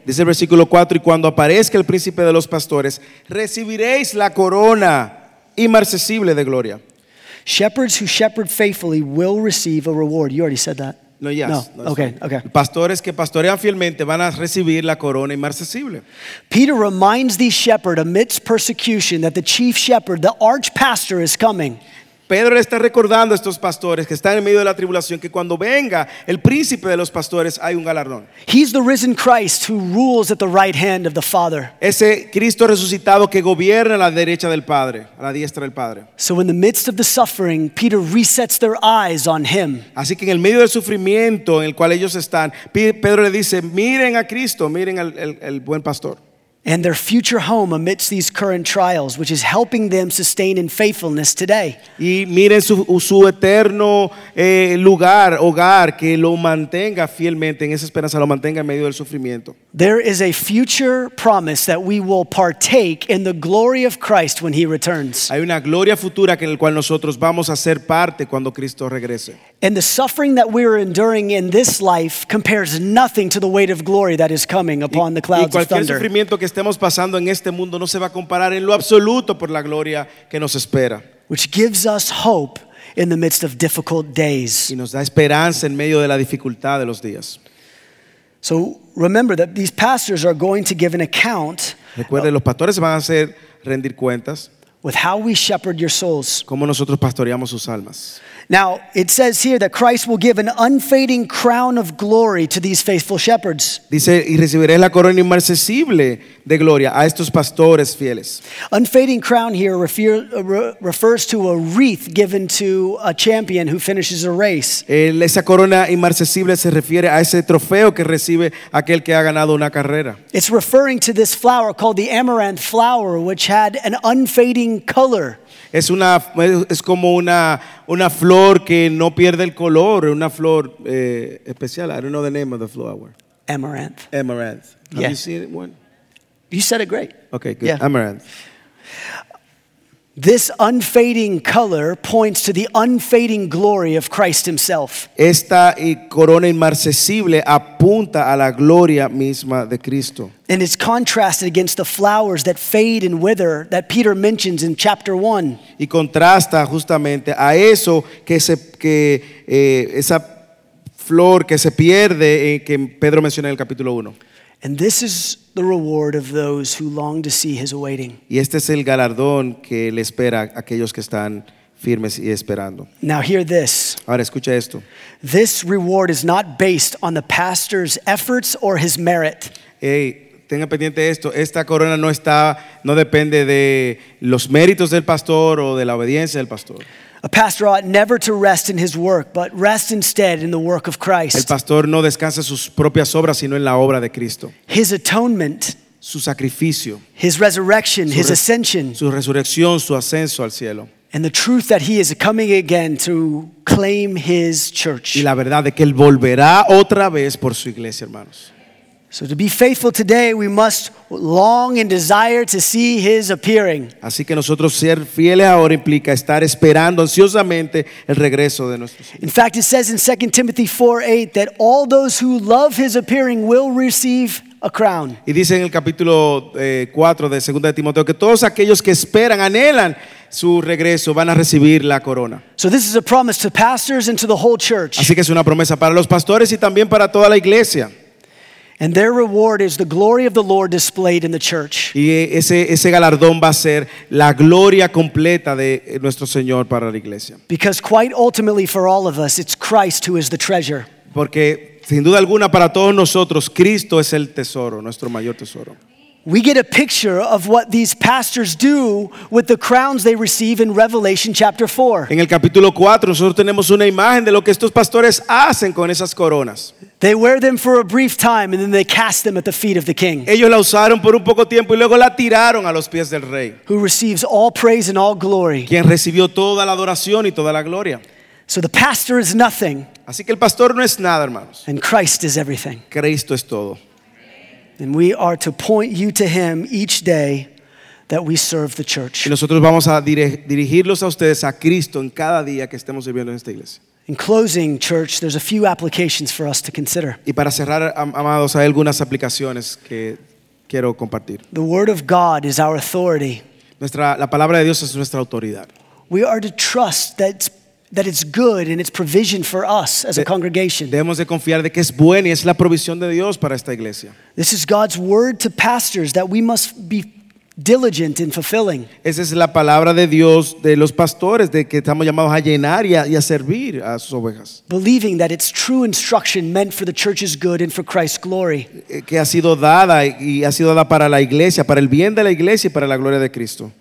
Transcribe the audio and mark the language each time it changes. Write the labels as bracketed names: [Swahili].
[Spanish] Dice el versículo 4, y cuando aparezca el príncipe de los pastores, recibiréis la corona inmarcesible de gloria. [English] Shepherds who shepherd faithfully will receive a reward. You already said that. No, yes. No. Okay, okay. [Spanish] Pastores que pastorean fielmente van a recibir la corona inmarcesible. [English] Peter reminds the shepherd amidst persecution that the chief shepherd, the archpastor, is coming. [Spanish] Pedro le está recordando a estos pastores que están en medio de la tribulación que cuando venga el príncipe de los pastores hay un galardón. [English] He's the risen Christ who rules at the right hand of the Father. [Spanish] Ese Cristo resucitado que gobierna a la derecha del Padre, a la diestra del Padre. [English] So in the midst of the suffering, Peter resets their eyes on him. [Spanish] Así que en el medio del sufrimiento en el cual ellos están, Pedro le dice, miren a Cristo, miren al buen pastor. [English] And their future home amidst these current trials, which is helping them sustain in faithfulness today. [Spanish] Y miren su eterno lugar, hogar, que lo mantenga fielmente en esa esperanza, lo mantenga en medio del sufrimiento. [English] There is a future promise that we will partake in the glory of Christ when He returns. [Spanish] Hay una gloria futura que en el cual nosotros vamos a ser parte cuando Cristo regrese. [English] And the suffering that we are enduring in this life compares nothing to the weight of glory that is coming upon the clouds of thunder. [Spanish] Y cualquier sufrimiento que estemos pasando en este mundo no se va a comparar en lo absoluto por la gloria que nos espera. [English] Which gives us hope in the midst of difficult days. [Spanish] Y nos da esperanza en medio de la dificultad de los días. [English] So remember that these pastors are going to give an account. [Spanish] Recuerden, los pastores van a hacer rendir cuentas. [English] With how we shepherd your souls. [Spanish] Como nosotros pastoreamos sus almas. [English] Now, it says here that Christ will give an unfading crown of glory to these faithful shepherds. [Spanish] Dice, y recibiréis la corona inmarcesible de gloria a estos pastores fieles. [English] Unfading crown here refers to a wreath given to a champion who finishes a race. [Spanish] Esa corona inmarcesible se refiere a ese trofeo que recibe aquel que ha ganado una carrera. [English] It's referring to this flower called the amaranth flower, which had an unfading color. [Spanish] Es como una flor que no pierde el color, una flor especial. [English] I don't know the name of the flower. Amaranth. Amaranth. Yeah. Have you seen one? You said it great. Okay, good. Yeah. Amaranth. This unfading color points to the unfading glory of Christ Himself. [Spanish] Esta corona inmarcesible apunta a la gloria misma de Cristo. [English] And it's contrasted against the flowers that fade and wither that Peter mentions in chapter 1. [Spanish] Y contrasta justamente a eso que esa flor que se pierde que Pedro menciona en el capítulo 1. [English] And this is the reward of those who long to see his awaiting. [Spanish] Y este es el galardón que le espera a aquellos que están firmes y esperando. [English] Now hear this. [Spanish] Ahora escucha esto. [English] This reward is not based on the pastor's efforts or his merit. [Spanish] Hey, tenga pendiente esto. Esta corona no depende de los méritos del pastor o de la obediencia del pastor. [English] A pastor ought never to rest in his work, but rest instead in the work of Christ. [Spanish] El pastor no descansa sus propias obras, sino en la obra de Cristo. [English] His atonement, [Spanish] su sacrificio, [English] his resurrection, his ascension, [Spanish] su resurrección, su ascenso al cielo, [English] and the truth that he is coming again to claim his church. [Spanish] Y la verdad de que él volverá otra vez por su iglesia, hermanos. [English] So to be faithful today, we must long and desire to see His appearing. [Spanish] Así que nosotros ser fieles ahora implica estar esperando ansiosamente el regreso de nuestro Señor. [English] In fact, it says in 2 Timothy 4:8 that all those who love His appearing will receive a crown. [Spanish] Y dice en el capítulo 4 de 2 Timoteo que todos aquellos que esperan, anhelan su regreso, van a recibir la corona. [English] So this is a promise to pastors and to the whole church. [Spanish] Así que es una promesa para los pastores y también para toda la iglesia. [English] And their reward is the glory of the Lord displayed in the church. [Spanish] Y ese galardón va a ser la gloria completa de nuestro Señor para la iglesia. [English] Because quite ultimately for all of us, it's Christ who is the treasure. [Spanish] Porque sin duda alguna para todos nosotros, Cristo es el tesoro, nuestro mayor tesoro. [English] We get a picture of what these pastors do with the crowns they receive in Revelation chapter 4. [Spanish] En el capítulo 4 nosotros tenemos una imagen de lo que estos pastores hacen con esas coronas. [English] They wear them for a brief time and then they cast them at the feet of the king. [Spanish] Ellos la usaron por un poco tiempo y luego la tiraron a los pies del rey. [English] Who receives all praise and all glory. [Spanish] Quien recibió toda la adoración y toda la gloria. [English] So the pastor is nothing. [Spanish] Así que el pastor no es nada, hermanos. [English] And Christ is everything. [Spanish] Cristo es todo. [English] And we are to point you to Him each day, that we serve the church. [Spanish] Y nosotros vamos a dirigirlos a ustedes a Cristo en cada día que estemos sirviendo en esta iglesia. [English] In closing, church, there's a few applications for us to consider. [Spanish] Y para cerrar, amados, hay algunas aplicaciones que quiero compartir. [English] The word of God is our authority. [Spanish] La palabra de Dios es nuestra autoridad. [English] We are to trust that it's good and it's provision for us as a congregation. [Spanish] Debemos de confiar de que es bueno y es la provisión de Dios para esta iglesia. [English] This is God's word to pastors that we must be diligent in fulfilling. [Spanish] Esa es la palabra de Dios de los pastores de que estamos llamados a llenar y a servir a sus ovejas. [English] Believing that it's true instruction meant for the church's good and for Christ's glory. [Spanish] Que ha sido dada y ha sido dada para la iglesia, para el bien de la iglesia y para la gloria de Cristo.